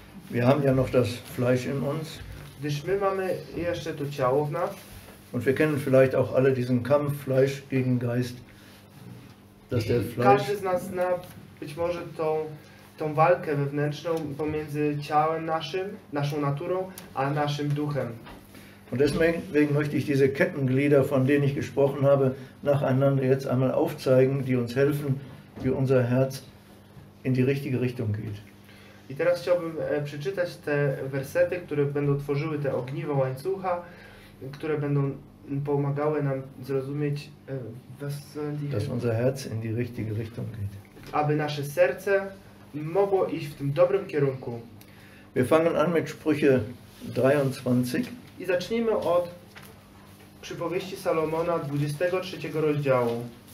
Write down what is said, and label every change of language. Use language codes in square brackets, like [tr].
[de] Wir haben ja noch das Fleisch in uns. [pl] Gdyż my mamy jeszcze to ciało w nas. [de] Und wir kennen vielleicht auch alle diesen Kampf Fleisch gegen Geist. Dass der Fleisch... [pl] Każdy z nas zna być może tą walkę wewnętrzną pomiędzy ciałem naszym, naszą naturą, a naszym duchem. [de] Und deswegen möchte ich diese Kettenglieder, von denen ich gesprochen habe, nacheinander jetzt einmal aufzeigen, die uns helfen, wie unser Herz in die richtige Richtung geht. [pl] I teraz chciałbym przeczytać te wersety, które będą tworzyły te ogniwo łańcucha, które będą pomagały nam zrozumieć, [de] dass unser Herz in die richtige Richtung geht. [pl] Aby nasze serce mogło iść w tym dobrym kierunku. [de] Wir fangen an mit Sprüche 23. [pl] I zacznijmy od przypowieści Salomona 23 rozdziału.